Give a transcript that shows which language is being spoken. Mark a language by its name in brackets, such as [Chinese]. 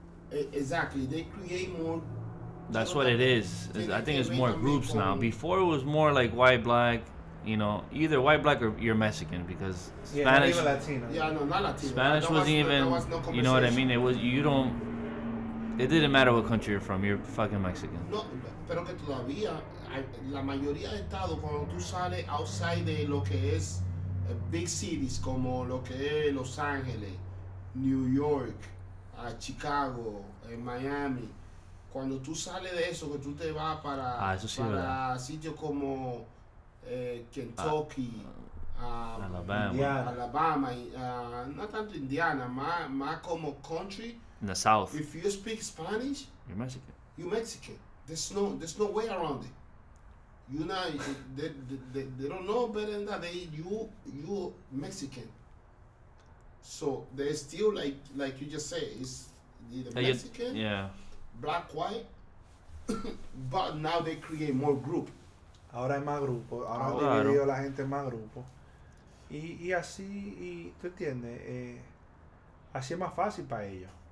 [English] Exactly, they create more. That's what it is. I think it's more groups now. Before it was more like white, black. You know, either white, black, or you're Mexican because Spanish. Yeah, not even Latino. Yeah, no, not Latino. Spanish wasn't even. There was no, you know what I mean? It was you don't. It didn't matter what country you're from. You're fucking Mexican. [Spanish] No, pero que todavía la mayoría de estados cuando tú sales [English] outside [Spanish] de lo que es [English] big cities [Spanish] como lo que es Los Ángeles, New York, Chicago, Miami, cuando tú sales de eso que tú te vas para sitios como Kentucky, Alabama, [English] not [Spanish] tanto Indiana, más como country. [English] In the South. If you speak Spanish, you're Mexican. There's no way around it. You know, they don't know better than that. You Mexican. So they still like you just say it's either Mexican, black, white. But now they create more group. [Spanish] Ahora hay más grupos, ahora han dividido la gente en más grupos. Y así, y tú entiendes, así es más fácil para ellos.